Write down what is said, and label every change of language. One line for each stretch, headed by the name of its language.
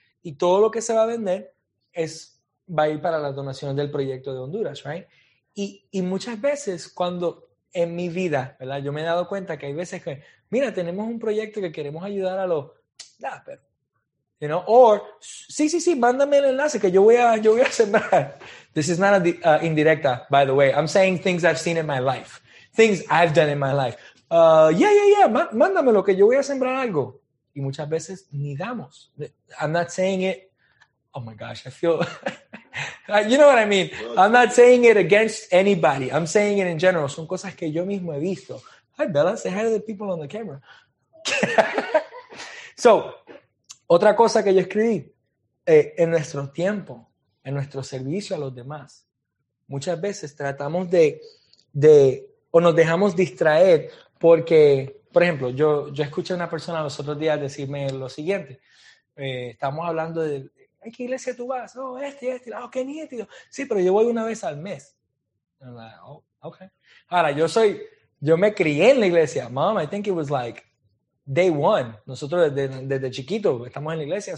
Spanish: Y todo lo que se va a vender va a ir para las donaciones del proyecto de Honduras, right? Y muchas veces cuando en mi vida, ¿verdad? Yo me he dado cuenta que hay veces que, mira, tenemos un proyecto que queremos ayudar a los, nah, pero,
English: you know, or,
Spanish: sí, mándame el enlace que yo voy a sembrar.
English: This is not an indirecta, by the way. I'm saying things I've seen in my life. Things I've done in my life.
Spanish: Mándamelo que yo voy a sembrar algo. Y muchas veces ni damos.
English: I'm not saying it, oh my gosh, I feel, you know what I mean. I'm not saying it against anybody. I'm saying it in general.
Spanish: Son cosas que yo mismo he visto.
English: Hi, Bella, say hi to the people on the camera.
Spanish: So, otra cosa que yo escribí, en nuestro tiempo, en nuestro servicio a los demás, muchas veces tratamos de o nos dejamos distraer porque, por ejemplo, yo escuché a una persona los otros días decirme lo siguiente. Estamos hablando de, ¿en qué iglesia tú vas? Oh, este, oh, qué nítido. Sí, pero yo voy una vez al mes.
English: And I'm like, oh, okay.
Spanish: Ahora, yo me crié en la iglesia.
English: Mom, I think it was like day one.
Spanish: Nosotros desde chiquito estamos en la iglesia.